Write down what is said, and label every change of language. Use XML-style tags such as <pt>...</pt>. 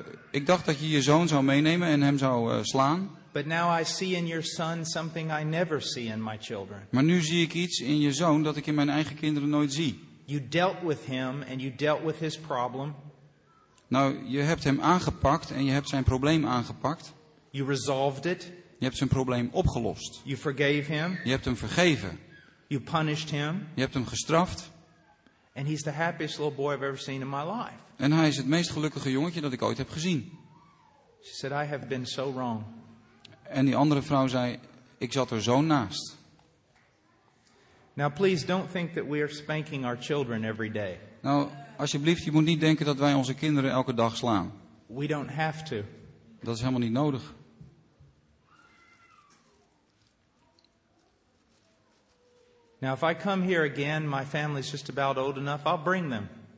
<nl>Ik dacht dat je je zoon zou meenemen en hem zou slaan.</nl> <en>But now I see in your son something I never see in my children.</en> <nl>Maar nu zie ik iets in je zoon dat ik in mijn eigen kinderen nooit zie.</nl> <en>You dealt with him and you dealt with his problem.</en> <nl>Nou, je hebt hem aangepakt en je hebt zijn probleem aangepakt.</nl> <en>You resolved it.</en> <nl>Je hebt zijn probleem opgelost.</nl> <en>You forgave him.</en> <nl>Je hebt hem vergeven.</nl> <en>You punished him.</en> <nl>Je hebt hem gestraft.</nl> <en>And he's the happiest little boy I've ever seen in my life.</en> <nl>En hij is het meest gelukkige jongetje dat ik ooit heb gezien.</nl> <en>She said, I have been so wrong.</en> <nl>En die andere vrouw zei, ik zat er zo naast.</nl> <en>Now please don't think that we are spanking our children every day.</en> <nl>Nou, alsjeblieft, je moet niet denken dat wij onze kinderen elke dag slaan.</nl> <en>We don't have to.</en> <nl>Dat is helemaal niet nodig.</nl> <en>Now if I come here again, my family's just about old enough, I'll bring them.</en>